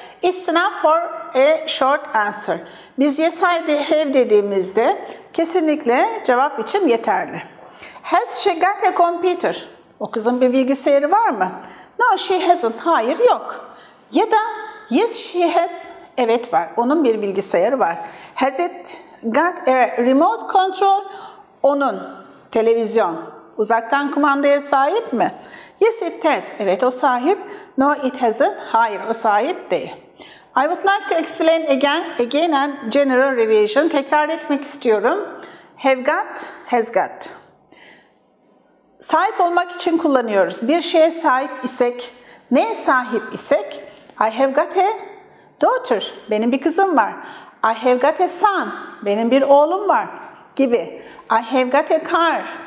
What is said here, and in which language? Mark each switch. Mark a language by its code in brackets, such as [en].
[en] It's enough for a short answer. [tr] Biz [en] yes, I have [tr] dediğimizde kesinlikle cevap için yeterli. [en] Has she got a computer? [tr] O kızın bir bilgisayarı var mı? [en] No, she hasn't. [tr] Hayır, yok. Ya da [en] yes, she has. [tr] Evet, var. Onun bir bilgisayarı var. [en] Has it got a remote control? [tr] Onun televizyon uzaktan kumandaya sahip mi? [en] Yes, it has. [tr] Evet, o sahip. [en] No, it hasn't. [tr] Hayır, o sahip değil. [en] I would like to explain again and general revision. [tr] Tekrar etmek istiyorum. [en] Have got, has got. [tr] Sahip olmak için kullanıyoruz. Bir şeye sahip isek, neye sahip isek? [en] I have got a daughter. [tr] Benim bir kızım var. [en] I have got a son. [tr] Benim bir oğlum var. Gibi. [en] I have got a car.